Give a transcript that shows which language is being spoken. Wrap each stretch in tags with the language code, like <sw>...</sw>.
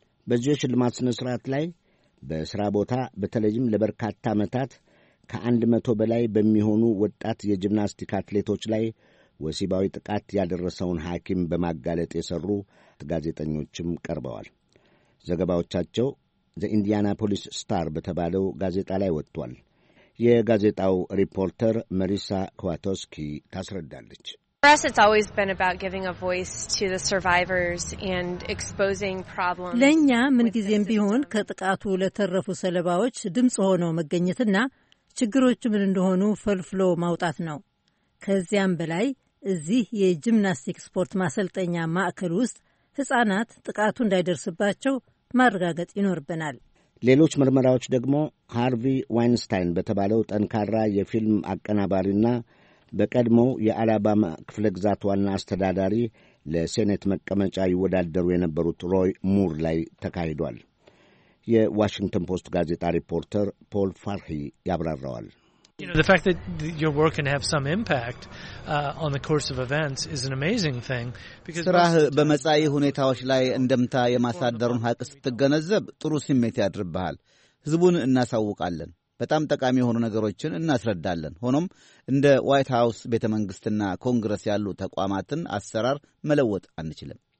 <am>በዚህ የሽልማት ሥነ ሥርዓት ላይ በሥራ ቦታ በተለይም ለበርካታ ዓመታት ከ100 በላይ በሚሆኑ ወጣት የጂምናስቲክ አትሌቶች ላይ ወሲባዊ ጥቃት ያደረሰውን ሐኪም በማጋለጥ የሠሩ ጋዜጠኞችም ቀርበዋል። ዘገባዎቻቸው ዘኢንዲያናፖሊስ ስታር በተባለው ጋዜጣ ላይ ወጥቷል። የጋዜጣው ሪፖርተር መሪሳ ኳቶስኪ ታስረዳለች።</am> <en>For us, it's always been about giving a voice to the survivors and exposing problems.</en> <am>ለኛ ምንጊዜም ቢሆን ከጥቃቱ ለተረፉ ሰለባዎች ድምጽ ሆኖ መገኘትና ችግሮች ምን እንደሆኑ ፈልፍሎ ማውጣት ነው። ከዚያም በላይ እዚህ የጂምናስቲክ ስፖርት ማሰልጠኛ ማዕከል ውስጥ ሕፃናት ጥቃቱ እንዳይደርስባቸው ማረጋገጥ ይኖርብናል። ሌሎች ምርመራዎች ደግሞ ሃርቪ ዋይንስታይን በተባለው ጠንካራ የፊልም አቀናባሪና በቀድሞው የአላባማ ክፍለ ግዛት ዋና አስተዳዳሪ ለሴኔት መቀመጫ ይወዳደሩ የነበሩት ሮይ ሙር ላይ ተካሂዷል። የዋሽንግተን ፖስት ጋዜጣ ሪፖርተር ፖል ፋርሂ ያብራራዋል።</am> <en>You know, the fact that your work can have some impact on the course of events is an amazing thing because</en> <am>ስራህ በመጻይ ሁኔታዎች ላይ እንደምታ የማሳደሩን ሀቅ ስትገነዘብ ጥሩ ስሜት ያድርብሃል። ህዝቡን እናሳውቃለን፣ በጣም ጠቃሚ የሆኑ ነገሮችን እናስረዳለን። ሆኖም እንደ ዋይት ሃውስ ቤተ መንግስትና ኮንግረስ ያሉ ተቋማትን አሰራር መለወጥ አንችልም።</am>